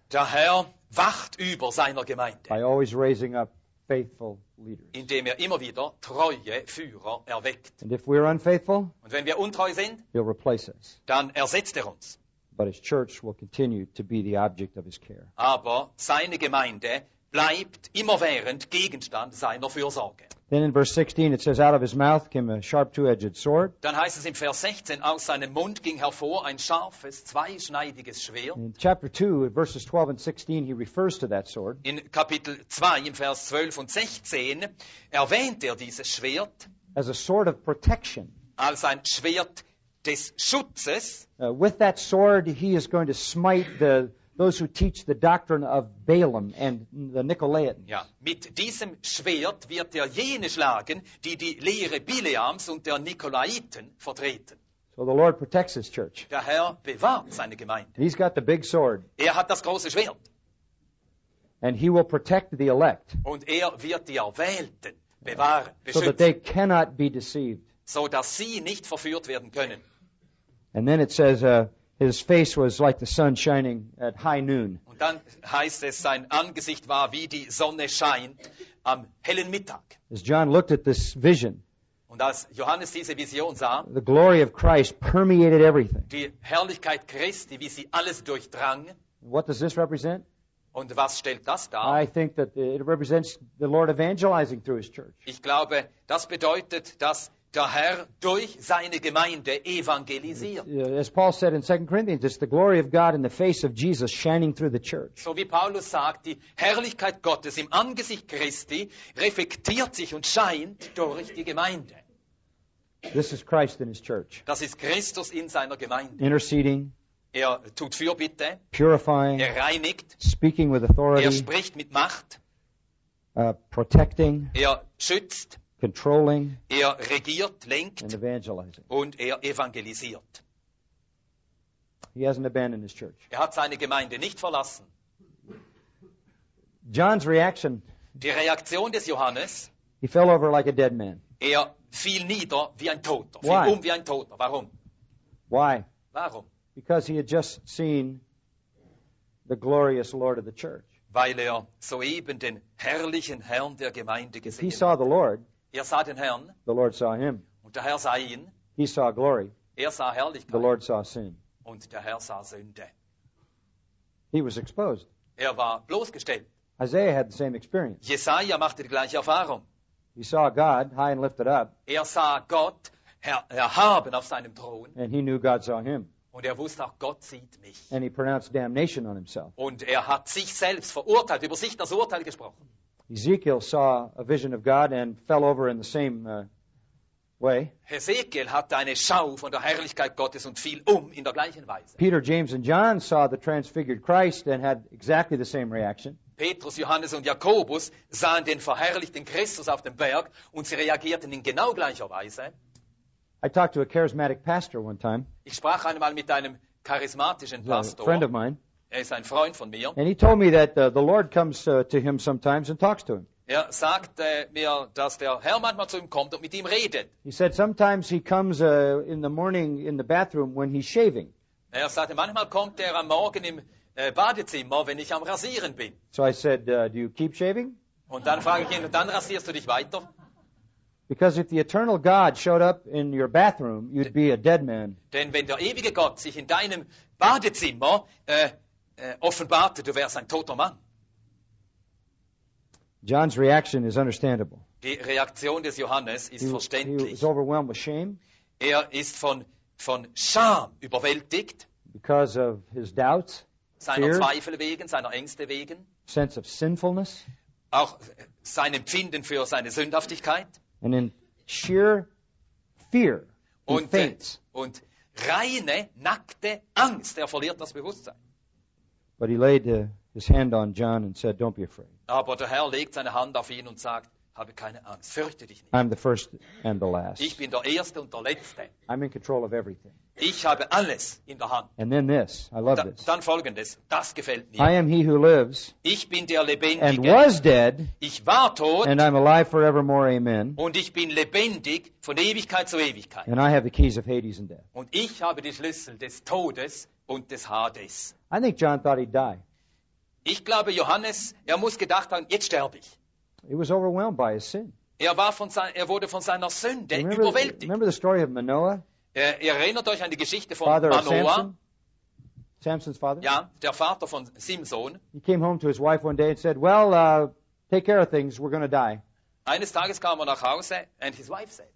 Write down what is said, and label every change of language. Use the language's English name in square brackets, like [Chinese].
[German] Der Herr wacht über seiner Gemeinde. [English] By always raising up faithful leaders. [German] Indem er immer wieder treue Führer erweckt. [English] And if we are unfaithful, [German] und wenn wir untreu sind, [English] he'll replace us. [German] Dann ersetzt uns. [English] But his church will continue to be the object of his care. [German] Aber seine Gemeinde bleibt immerwährend Gegenstand seiner Fürsorge. [English] Then in verse 16 it says, out of his mouth came a sharp two-edged sword. [German] Dann heißt es im Vers 16, aus seinem Mund ging hervor ein scharfes, zweischneidiges Schwert. [English] In chapter 2, verses 12 and 16, he refers to that sword. [German] In Kapitel 2, im Vers 12 und 16, erwähnt dieses Schwert. [English] As a sword of protection. [German] Als ein Schwert des Schutzes. [English] With that sword he is going to smite those who teach the doctrine of Balaam and the Nicolaitans. [German] Ja, mit diesem Schwert wird jene schlagen, die Lehre Bileams und der Nikolaiten vertreten. [English] So the Lord protects his church. [German] Der Herr bewahrt seine Gemeinde. [English] He's got the big sword. [German] Er hat das große Schwert. [English] And he will protect the elect. [German] Und wird die Erwählten bewahren, beschützen. [English] So that they cannot be deceived. [German] So dass sie nicht verführt werden können. [English] And then it says, his face was like the sun shining at high noon. [German] Und dann heißt es, sein Angesicht war wie die Sonne scheint am hellen Mittag. [English] As John looked at this vision, [German] und als Johannes diese Vision sah, [English] the glory of Christ permeated everything. [German] Die Herrlichkeit Christi, wie sie alles durchdrang. [English] What does this represent? [German] Und was stellt das dar? [English] I think that it represents the Lord evangelizing through his church. [German] Ich glaube, das bedeutet, dass der Herr durch seine Gemeinde evangelisiert. [English] As Paul said in 2 Corinthians, it's the glory of God in the face of Jesus shining through the church. [German] So wie Paulus sagt, die Herrlichkeit Gottes im Angesicht Christi reflektiert sich und scheint durch die Gemeinde. [English] This is Christ in his church. [German] Das ist Christus in seiner Gemeinde. [English] Interceding. [German] Er tut Fürbitte. [English] Purifying. [German] Er reinigt. [English] Speaking with authority. [German] Er spricht mit Macht. [English] Protecting. [German] Er schützt. [English] Controlling, [German] er regiert, lenkt, [English] and evangelizing. [German] Und evangelisiert. [English] He hasn't abandoned his church. [German] Hat seine Gemeinde nicht verlassen. [English] John's reaction. [German] Die Reaktion des Johannes. [English] He fell over like a dead man. [German] Er fiel nieder wie ein Toter. Fiel um wie ein Toter. Warum? [English] Why? [German] Warum? [English] Because he had just seen the glorious Lord of the church. [German] Weil er soeben den herrlichen Herrn der Gemeinde gesehen hat. [English] He saw the Lord. [German] Er sah den Herrn. [English] The Lord saw him. [German] Und der Herr sah ihn. [English] He saw glory. [German] Er sah Herrlichkeit. [English] The Lord saw sin. [German] Und der Herr sah Sünde. [English] He was exposed. [German] Er war bloßgestellt. [English] Isaiah had the same experience. [German] Jesaja machte die gleiche Erfahrung. [English] He saw God high and lifted up. [German] Er sah Gott erhaben auf seinem Thron. [English] And he knew God saw him. [German] Und er wusste auch, Gott sieht mich. [English] And he pronounced damnation on himself. [German] Und er hat sich selbst verurteilt, über sich das Urteil gesprochen. [English] Ezekiel saw a vision of God and fell over in the same way. [German] Ezekiel hatte eine Schau von der Herrlichkeit Gottes und fiel um in der gleichen Weise. [English] Peter, James and John saw the transfigured Christ and had exactly the same reaction. [German] Petrus, Johannes und Jakobus sahen den verherrlichten Christus auf dem Berg und sie reagierten in genau gleicher Weise. [English] I talked to a charismatic pastor one time. [German] Ich sprach einmal mit einem charismatischen Pastor. [English] A friend of mine. [German] Er ist ein Freund von mir. [English] And he told me that the Lord comes to him sometimes and talks to him. [German] Er sagte mir, dass der Herr manchmal zu ihm kommt und mit ihm redet. [English] He said sometimes he comes in the morning in the bathroom when he's shaving. [German] Er sagte, manchmal kommt er am Morgen im Badezimmer, wenn ich am Rasieren bin. [English] So I said, do you keep shaving? [German] Und dann frage ich ihn, dann rasierst du dich weiter? [English] Because if the eternal God showed up in your bathroom, you'd be a dead man. [German] Denn wenn der ewige Gott sich in deinem Badezimmer offenbarte, du wärst ein toter Mann. [English] John's reaction is understandable. [German] Die Reaktion des Johannes ist verständlich. [English] He was overwhelmed with shame. [German] Er ist von Scham überwältigt. [English] Because of his doubts, [German] seiner [English] fear, [German] Zweifel wegen, seiner Ängste wegen. [English] Sense of sinfulness. [German] Auch sein Empfinden für seine Sündhaftigkeit. [English] And in sheer fear, [German] und, [English] he faints. [German] Und reine, nackte Angst, er verliert das Bewusstsein. [English] But he laid his hand on John and said, don't be afraid. [German] Aber der Herr legt seine Hand auf ihn und sagt, habe keine Angst, fürchte dich nicht. [English] I'm the first and the last. [German] Ich bin der Erste und der Letzte. [English] I'm in control of everything. [German] Ich habe alles in der Hand. [English] And then this, I love this. [German] Dann folgendes, das gefällt mir. [English] I am he who lives. [German] Ich bin der Lebendige. [English] And was dead. [German] Ich war tot. [English] And I'm alive forevermore, amen. [German] Und ich bin lebendig von Ewigkeit zu Ewigkeit. [English] And I have the keys of Hades and death. [German] Und ich habe die Schlüssel des Todes und des Hades. [English] I think John thought he'd die. [German] Ich glaube, Johannes, er muss gedacht haben, jetzt sterbe ich. [English] He was overwhelmed by his sin. [German] Er wurde von seiner Sünde [English] remember, [German] überwältigt. [English] Remember the story of Manoah? [German] Erinnert euch an die Geschichte von [English] father [German] Manoah. [English] Samson? Samson's father? [German] Ja, der Vater von Simson. [English] He came home to his wife one day and said, well, take care of things, we're going to die. [German] Eines Tages kam er nach Hause [English] and his wife said.